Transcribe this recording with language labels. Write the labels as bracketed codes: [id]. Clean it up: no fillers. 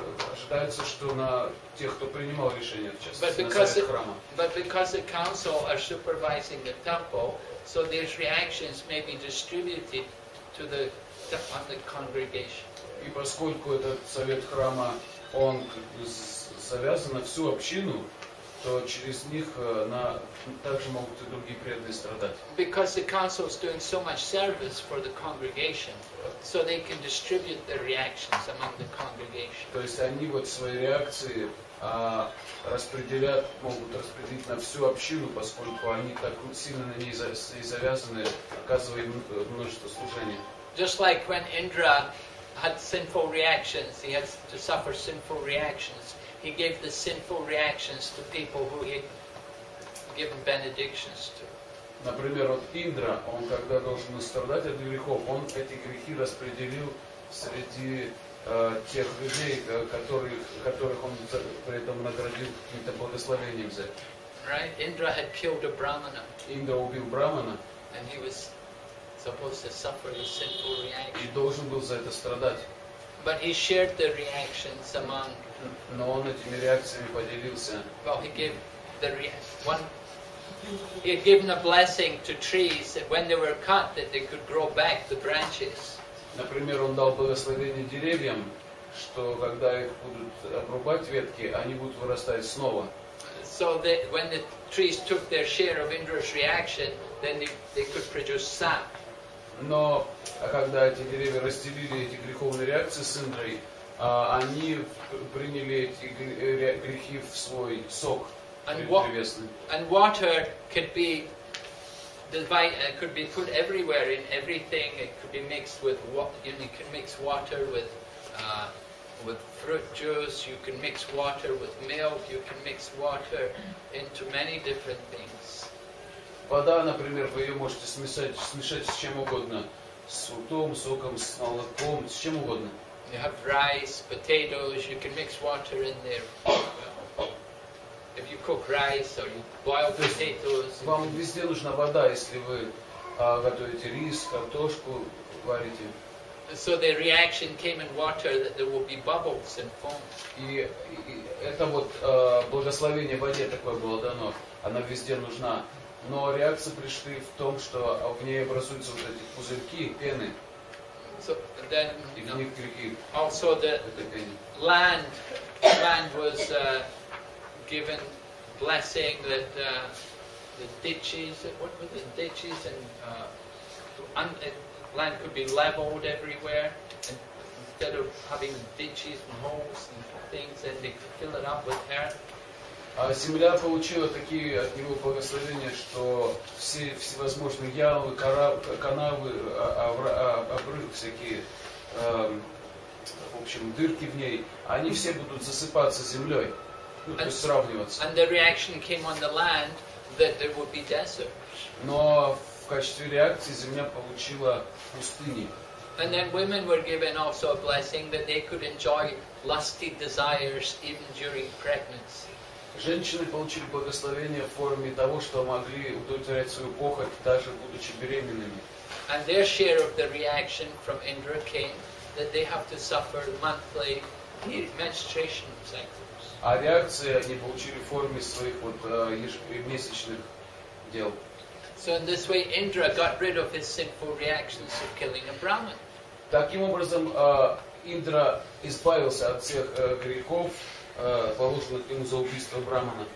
[ru] Ожидается, что на тех, кто принимал решение, в частности, на совет храма. [en] But because the council are supervising the temple, so these reactions may be distributed to the congregation. [ru] И поскольку этот совет храма, он завязан на всю общину, то через них также могут и другие преданные страдать. [en] Because the council is doing so much service for the congregation, so they can distribute their reactions among the congregation. [ru] То есть они вот свои реакции могут распределить на всю общину, поскольку они так сильно на ней завязаны, оказывая множество служений. [en] Just like when Indra had sinful reactions, he had to suffer sinful reactions. He gave the sinful reactions to people who he had given benedictions to. [ru] Например, вот Индра, он когда должен страдать от грехов, он эти грехи распределил среди тех людей, которых он при этом наградил каким-то благословением за это. [en] Right, Indra had killed a brahmana. [ru] Indra убил брамана. [en] And he was supposed to suffer the sinful reaction. [ru] И должен был за это страдать. [en] But he shared the reactions among. [ru] Но он этими реакциями поделился. [en] Well, he gave the one. He had given a blessing to trees that when they were cut, that they could grow back the branches. [ru] Например, он дал благословение деревьям, что когда их будут обрубать ветки, они будут вырастать снова. [en] So that when the trees took their share of Indra's reaction, then they could produce sap. [ru] Но когда эти деревья разделили эти греховные реакции с Индрой, они приняли эти грехи в свой сок. [en] And water could be divided, could be put everywhere in everything. It could be mixed with water. You can mix water with fruit juice, you can mix water with milk, you can mix water into many different things. [ru] Вода, например, вы ее можете смешать с чем угодно. С сутом, соком, с молоком, с чем угодно. [en] You have rice, potatoes, you can mix water in there. If you cook rice or you boil potatoes. [ru] Вам везде нужна вода, если вы готовите рис, картошку, варите. [en] So the reaction came in water that there will be bubbles and foam. [ru] И это вот благословение воде такое было дано. Она везде нужна. Но реакция пришла в том, что в ней образуются вот эти пузырьки, пены. [en] So then, [ru] и в них грехи. [en] Also the land was given blessing that the ditches, what were the ditches and land could be leveled everywhere, and instead of having ditches and holes and things, and they could fill it up with earth. [ru] Земля получила такие от него благословения, что все всевозможные ямы, канавы, обрывы всякие, в общем, дырки в ней, они все будут засыпаться землей, то есть сравниваться. [en] And the reaction came on the land that there would be desert. [ru] Но в качестве реакции земля получила пустыни. [en] And then women were given also a blessing that they could enjoy lusty desires even during pregnancy. [ru] Женщины получили благословение в форме того, что могли удовлетворять свою похоть, даже будучи беременными. [en] And their share of the reaction from Indra came that they have to suffer monthly menstruation cycles. [ru] А реакции они получили в форме своих вот ежемесячных дел. [en] So in this way Indra got rid of his sinful reactions of killing a brahman. [ru] Таким образом Индра избавился от всех грехов, положенных ему за убийство брамана.